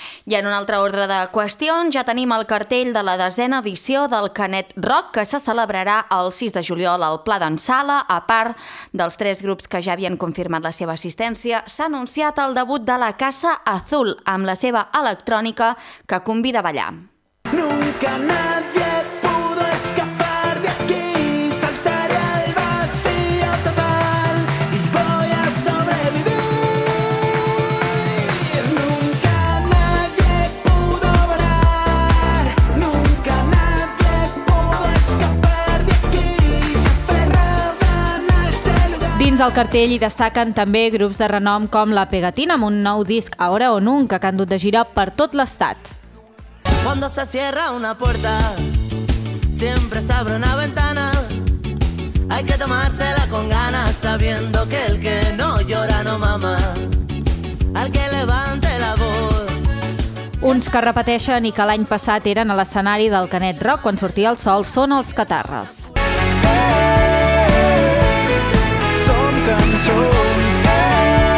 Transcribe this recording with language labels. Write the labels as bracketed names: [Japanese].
[Catalan] I en un altre ordre de qüestions, ja tenim el cartell de la desena edició del Canet Rock, que se celebrarà el 6 de juliol al Pla d'en Sala, a part dels tres grups que ja havien confirmat la seva assistència, s'ha anunciat el debut de la Casa Azul amb la seva electrònica que convida a ballar. [Spanish] Nunca nadie pudo escapar de aquí, saltaré al vacío total y voy a sobrevivir. Nunca nadie pudo volar, nunca nadie pudo escapar de aquí, se aferraban a este lugar. [Catalan] Dins el cartell hi destaquen també grups de renom com La Pegatina amb un nou disc Ahora o Nunca que han dut de gira per tot l'estat. [Spanish] Cuando se cierra una puerta, siempre se abre una ventana. Hay que tomársela con ganas, sabiendo que el que no llora no mama. Al que levante la voz. [Catalan] Uns que repeteixen i que l'any passat eren a l'escenari del Canet Rock quan sortia el sol són els Catarres. Som cançons.